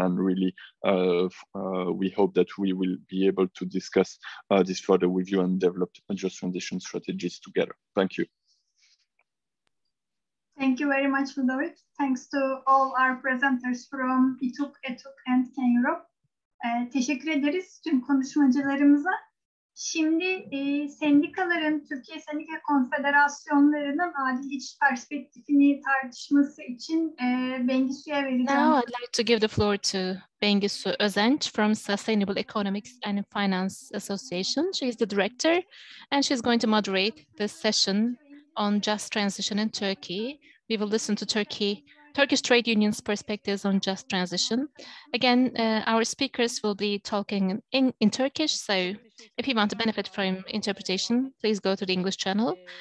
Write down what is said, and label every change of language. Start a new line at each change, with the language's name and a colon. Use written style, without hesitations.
English: And really, we hope that we will be able to discuss this further with you and develop just transition strategies together. Thank you. Thank you very much, Ludovic. Thanks to all our presenters from ETUC, ETUC and Can Europe.
Turkish: Teşekkür ederiz tüm konuşmacılarımıza. Şimdi sendikaların, Türkiye Sendika Konfederasyonlarının adil iş perspektifini tartışması için Bengisu'ya vereceğim.
English: Now I'd like to give the floor to Bengisu Özenç from Sustainable Economics and Finance Association. She is the director and she's going to moderate this session on just transition in Turkey. We will listen to Turkey Turkish trade unions' perspectives on just transition. Again, our speakers will be talking in Turkish, so if you want to benefit from interpretation, please go to the English channel.